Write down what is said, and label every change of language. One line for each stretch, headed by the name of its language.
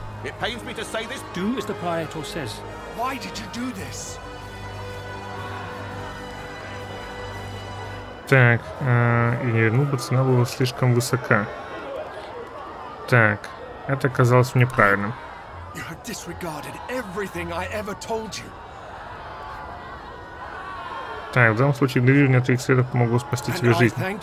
English: It pains me to say this. Do as the Praetor says. Why did you do this?
Russian: Так, и не вернул бы, цена была слишком высока. Так, это казалось мне правильным.
English: You have disregarded everything I ever told you.
Russian: Так, в данном случае игнорирование твоих советов помогло спасти тебе жизнь.